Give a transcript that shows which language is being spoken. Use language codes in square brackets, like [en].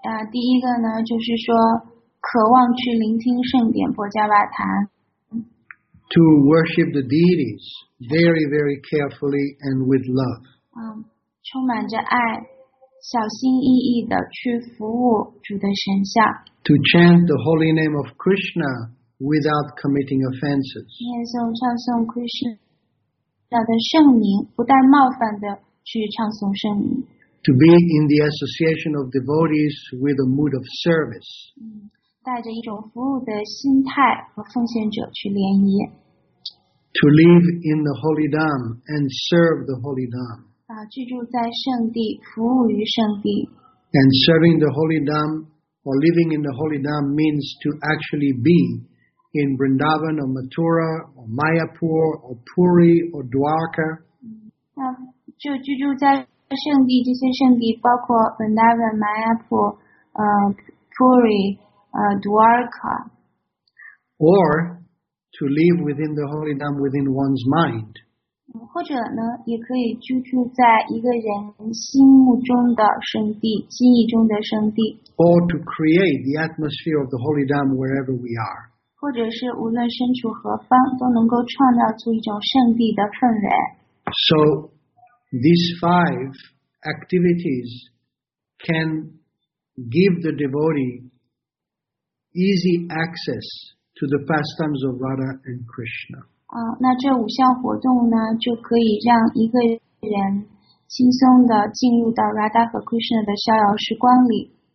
[zh] 第一个呢，就是说渴望去聆听圣典波迦瓦坛。 [en] To worship the deities very, very carefully and with love. [zh] 充满着爱，小心翼翼地去服务主的神像。 [en] To chant the holy name of Krishna without committing offenses. [zh] 念诵唱诵 Krishna 的圣名，不带冒犯地去唱诵圣名。 [en] To be in the association of devotees with a mood of service. [zh] 带着一种服务的心态和奉献者去联谊。 [en] To live in the holy dham and serve the holy dham. [zh] 居住在圣地，服务于圣地。 [en] And serving the holy dham or living in the holy dham means to actually be in Vrindavan or Mathura or Mayapur or Puri or Dwarka. [zh] 就居住在圣地，这些圣地包括 Vrindavan, Mayapur, Puri,Dwarka. [en] Or to live within the holy dham within one's mind. [zh] 或者呢，也可以居住在一个人心目中的圣地，心意中的圣地。 [en] Or to create the atmosphere of the holy dham wherever we are. [zh] 或者是无论身处何方，都能够创造出一种圣地的氛围。 [en] So these five activities can give the devotee easy access to the pastimes of Radha and Krishna. [zh] 那这五项活动呢，就可以让一个人轻松地进入到 Radha 和 Krishna 的逍遥时光里。